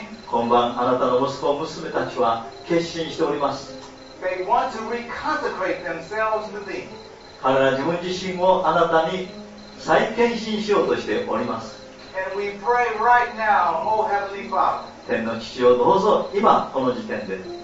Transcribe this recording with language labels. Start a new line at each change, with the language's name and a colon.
Japanese: 今晩あなたの息子娘たちは決心しております。
English: They want to re-consecrate themselves to thee.
Japanese: 彼ら自分自身をあなたに再献身しようとしております。
English: And we pray right now, O Heavenly Father,
Japanese: 天の父よ、どうぞ今この時点で